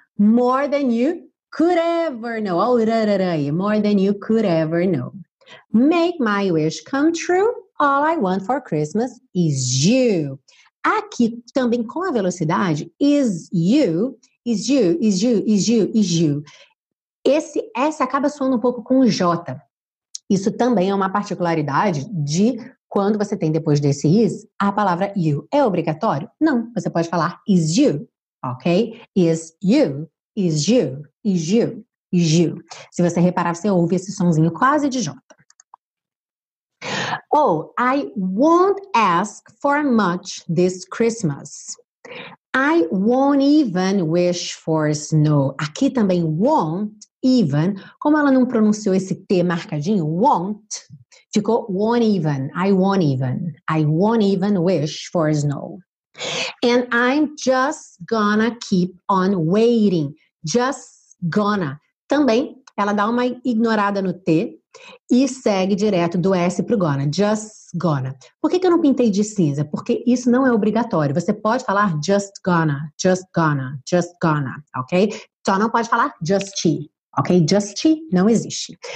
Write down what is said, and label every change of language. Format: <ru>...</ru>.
<en>More than you could ever know. Oh, more than you could ever know. Make my wish come true. All I want for Christmas is you.</en> <pt>Aqui, também com a velocidade, is you, is you, is you, is you, is you. Esse acaba soando um pouco com J. Isso também é uma particularidade de quando você tem depois desse is, a palavra you. É obrigatório? Não. Você pode falar is you, ok? Is you. Is you, is you, is you. Se você reparar, você ouve esse sonzinho quase de J.</pt> <en>Oh, I won't ask for much this Christmas. I won't even wish for snow.</en> <pt>Aqui também won't even, como ela não pronunciou esse T marcadinho, won't, ficou won't even,</pt> <en>I won't even. I won't even wish for snow. And I'm just gonna keep on waiting. Just gonna.</en> <pt>Também, ela dá uma ignorada no T e segue direto do S pro gonna. Just gonna. Por que que eu não pintei de cinza? Porque isso não é obrigatório. Você pode falar just gonna, just gonna, just gonna, ok? Só não pode falar just, ok? Just não existe.</pt>